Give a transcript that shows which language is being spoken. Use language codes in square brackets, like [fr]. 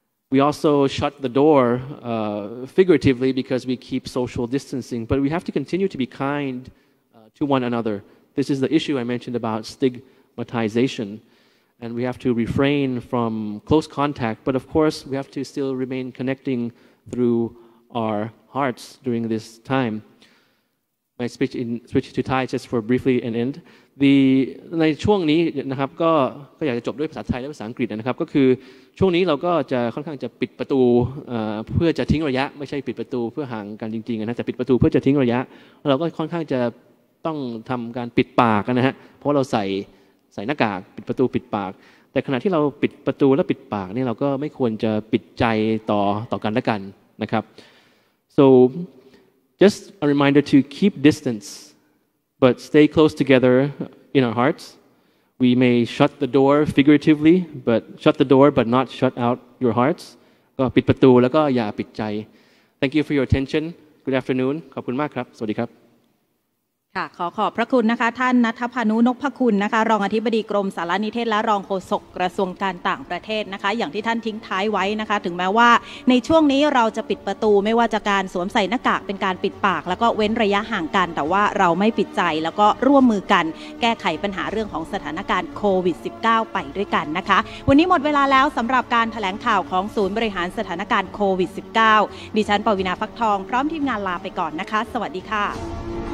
[en] We also shut the door figuratively because we keep social distancing, but we have to continue to be kind to one another. This is the issue I mentioned about stigmatization, and we have to refrain from close contact, but of course we have to still remain connecting through our hearts during this time. My switch to Thai just for briefly an end. [th] ในช่วงนี้นะครับก็อยากจะจบด้วยภาษาไทยและภาษาอังกฤษนะครับก็คือช่วงนี้เราก็จะค่อนข้างจะปิดประตู เพื่อจะทิ้งระยะไม่ใช่ปิดประตูเพื่อห่างกันจริงๆนะแต่ปิดประตูเพื่อจะทิ้งระยะเราก็ค่อนข้างจะต้องทําการปิดปากนะฮะเพราะเราใส่หน้ากากปิดประตูปิดปากแต่ขณะที่เราปิดประตูและปิดปากนี่เราก็ไม่ควรจะปิดใจต่อกันและกันนะครับ [en] so just a reminder to keep distance but stay close together in our hearts We may shut the door figuratively, but shut the door, but not shut out your hearts. [th] ก็ปิดประตูแล้วก็อย่าปิดใจ [en] Thank you for your attention. Good afternoon. [th] ขอบคุณมากครับสวัสดีครับ ค่ะขอขอบพระคุณนะคะท่านณัฐพนุนพคุณนะคะรองอธิบดีกรมสารนิเทศและรองโฆษกกระทรวงการต่างประเทศนะคะอย่างที่ท่านทิ้งท้ายไว้นะคะถึงแม้ว่าในช่วงนี้เราจะปิดประตูไม่ว่าจะการสวมใส่หน้ากากเป็นการปิดปากแล้วก็เว้นระยะห่างกันแต่ว่าเราไม่ปิดใจแล้วก็ร่วมมือกันแก้ไขปัญหาเรื่องของสถานการณ์โควิด -19 ไปด้วยกันนะคะวันนี้หมดเวลาแล้วสำหรับการแถลงข่าวของศูนย์บริหารสถานการณ์โควิด -19 ดิฉันปวีณาฟักทองพร้อมทีมงานลาไปก่อนนะคะสวัสดีค่ะ